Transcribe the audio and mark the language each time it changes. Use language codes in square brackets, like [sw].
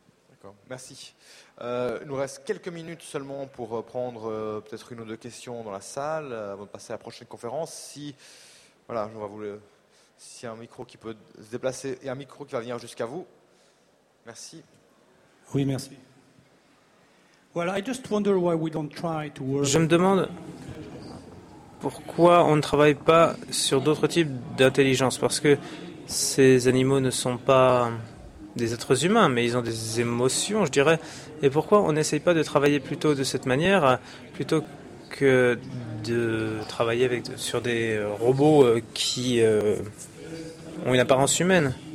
[fr] D'accord, merci. Il nous reste quelques minutes seulement pour prendre peut-être une ou deux questions dans la salle avant de passer à la prochaine conférence. Si voilà, je vais vous le, si un micro qui peut se déplacer et un micro qui va venir jusqu'à vous. Merci. Oui, merci. [en] Well, I just wonder why we don't try to work. [fr] Je me demande pourquoi on ne travaille pas sur d'autres types d'intelligence, parce que ces animaux ne sont pas des êtres humains, mais ils ont des émotions, je dirais. Et pourquoi on n'essaye pas de travailler plutôt de cette manière, plutôt que de travailler sur des robots qui ont une apparence humaine ?